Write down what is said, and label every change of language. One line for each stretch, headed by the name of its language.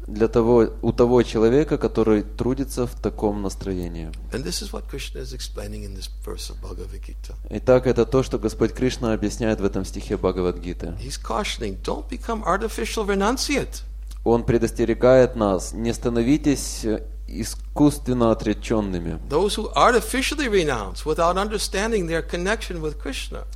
Russian: Для того, у того человека, который трудится в таком настроении.
English: And this is what Krishna is explaining in this verse of Bhagavad Gita.
Russian: Итак, это то, что Господь Кришна объясняет в этом стихе Бхагавад-гиты.
English: He's cautioning, don't become artificial renunciate.
Russian: Он предостерегает нас, не становитесь искусственно отреченными.
English: Those who artificially renounce without understanding their connection with Krishna.